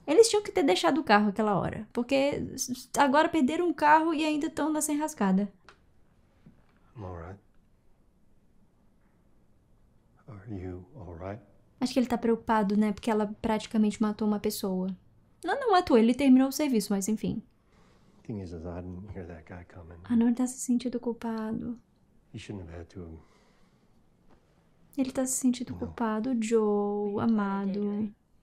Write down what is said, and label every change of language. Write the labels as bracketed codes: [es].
[pt] Eles tinham que ter deixado o carro aquela hora. Porque agora perderam um carro e ainda estão nessa enrascada. [en] I'm all right. Are you all right? [pt] Acho que ele tá preocupado, né? Porque ela praticamente matou uma pessoa. Não matou, ele terminou o serviço, mas enfim. [en] Is, I didn't hear that guy coming. [pt] A Nora tá se sentindo culpado. [en] He shouldn't have had to... [pt] Ele tá se sentindo culpado, Joe, amado.